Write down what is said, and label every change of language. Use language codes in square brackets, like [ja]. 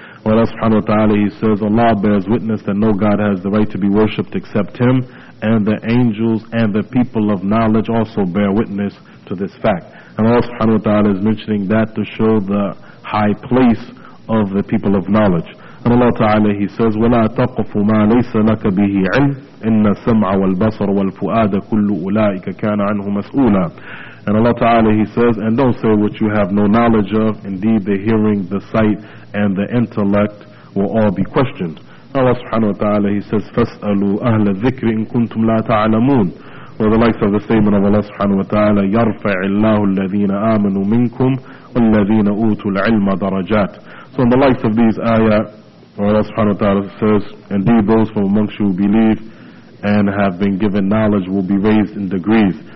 [en] Allah subhanahu wa ta'ala, he says, Allah bears witness that no God has the right to be worshipped except him, and the angels and the people of knowledge also bear witness to this fact. And Allah subhanahu wa ta'ala is mentioning that to show the high place of the people of knowledge. And Allah Ta'ala, he says, [ar] وَلَا تَقْفُ مَا لَيْسَ لَكَ بِهِ عِلْمٍ إِنَّ السَّمْعَ وَالْبَصَرَ وَالْفُؤَادَ كُلُّ أُولَٰئِكَ كَانَ عَنْهُ مَسْؤُولًا. [en] And Allah Ta'ala, he says, and don't say what you have no knowledge of, indeed the hearing, the sight, and the intellect will all be questioned. Allah subhanahu wa ta'ala, he says, [ar] فَاسْأَلُوا أَهْلَ الذِّكْرِ إِن كُنْتُمْ لَا تَعْلَمُونَ. [en] For the likes of the statement of Allah subhanahu wa ta'ala, [ar] يَرْفَعِ اللَّهُ الَّذِينَ آمَنُوا مِنْكُمْ وَالَّذِينَ أُوتُوا الْعِلْمَ دَرَجَاتٍ. [en] So in the likes of these ayah, Allah subhanahu wa ta'ala says, indeed those from amongst you who believe and have been given knowledge will be raised in degrees.